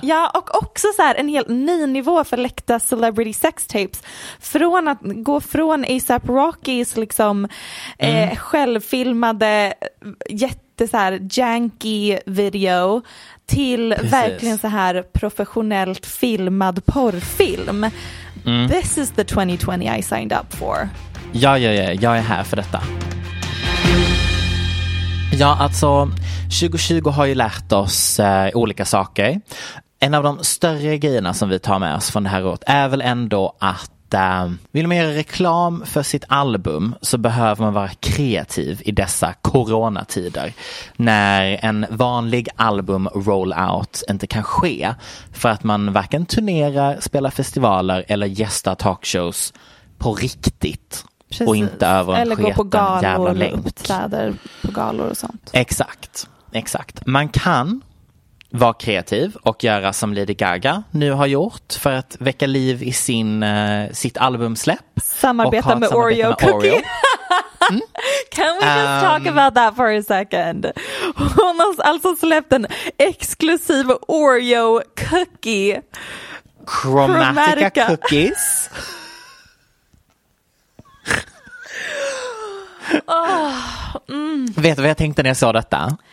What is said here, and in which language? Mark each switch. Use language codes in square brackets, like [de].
[sv] Ja, och också så här en helt ny nivå för läckta celebrity sex tapes. Från att gå från A$AP Rockys liksom självfilmade jätte så här janky video till precis. Verkligen så här professionellt filmad porrfilm. [en] This is the 2020 I signed up for. [sv] Ja, jag är här för detta. Ja, alltså 2020 har ju lärt oss olika saker. En av de större grejerna som vi tar med oss från det här året är väl ändå att vill man göra reklam för sitt album så behöver man vara kreativ i dessa coronatider när en vanlig album rollout inte kan ske för att man varken turnerar, spelar festivaler eller gästar talkshows på riktigt. Precis. Och inte över eller gå på galor eller uppträder på galor och sånt. Exakt. Man kan vara kreativ och göra som Lady Gaga nu har gjort för att väcka liv i sitt albumsläpp. Samarbeta med Oreo Cookie. [en] Can we just talk about that for a second? [sv] Hon har alltså släppt en exklusiv Oreo Cookie. Chromatica Cookies. Vet du vad jag tänkte när jag sa detta?